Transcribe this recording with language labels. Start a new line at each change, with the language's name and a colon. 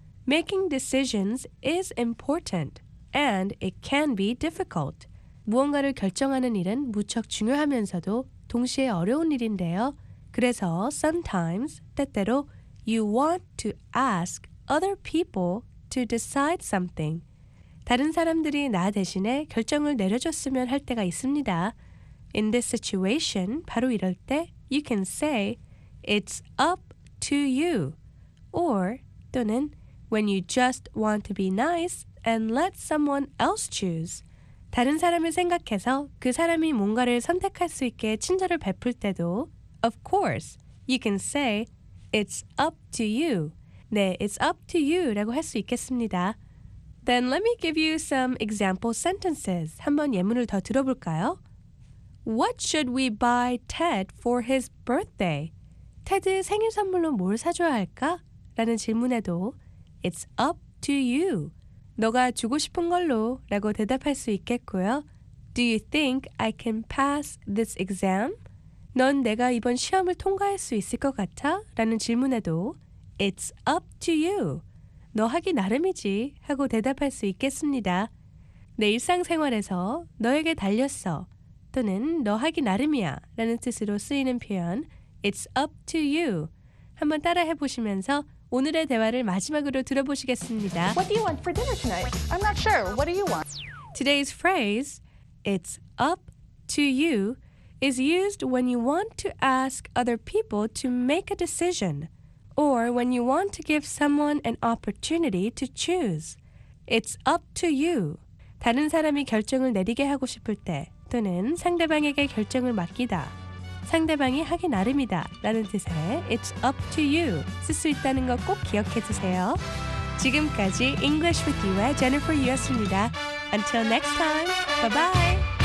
English: Making decisions is important and it can be difficult.
Korean: 무언가를 결정하는 일은 무척 중요하면서도 동시에 어려운 일인데요. 그래서
English: sometimes,
Korean: 때때로,
English: you want to ask other people to decide something.
Korean: 다른 사람들이 나 대신에 결정을 내려줬으면 할 때가 있습니다.
English: In this situation,
Korean: 바로 이럴 때,
English: you can say, it's up to you. Or,
Korean: 또는,
English: when you just want to be nice and let someone else choose.
Korean: 다른 사람을 생각해서 그 사람이 뭔가를 선택할 수 있게 친절을 베풀 때도
English: Of course, you can say, it's up to you.
Korean: 네,
English: it's up to you
Korean: 라고 할 수 있겠습니다.
English: Then let me give you some example sentences.
Korean: 한번 예문을 더 들어볼까요?
English: What should we buy Ted for his birthday?
Korean: 테드 생일 선물로 뭘 사줘야 할까? 라는 질문에도
English: It's up to you.
Korean: 너가 주고 싶은 걸로 라고 대답할 수 있겠고요.
English: Do you think I can pass this exam?
Korean: 넌 내가 이번 시험을 통과할 수 있을 것 같아? 라는 질문에도
English: It's up to you.
Korean: 너 하기 나름이지 하고 대답할 수 있겠습니다. 내 일상생활에서 너에게 달렸어 또는 너 하기 나름이야 라는 뜻으로 쓰이는 표현
English: It's up to you.
Korean: 한번 따라해 보시면서 오늘의 대화를 마지막으로 들어보시겠습니다.
English: What do you want for dinner tonight? I'm not sure. What do you want? Today's phrase, it's up to you, is used when you want to ask other people to make a decision or when you want to give someone an opportunity to choose. It's up to you.
Korean: 다른 사람이 결정을 내리게 하고 싶을 때 또는 상대방에게 결정을 맡기다. 상대방이 하기 나름이다 라는 뜻의
English: It's up to you
Korean: 쓸 수 있다는 거 꼭 기억해 주세요. 지금까지 English with you의 Jennifer Yu였습니다.
English: Until next time, bye-bye!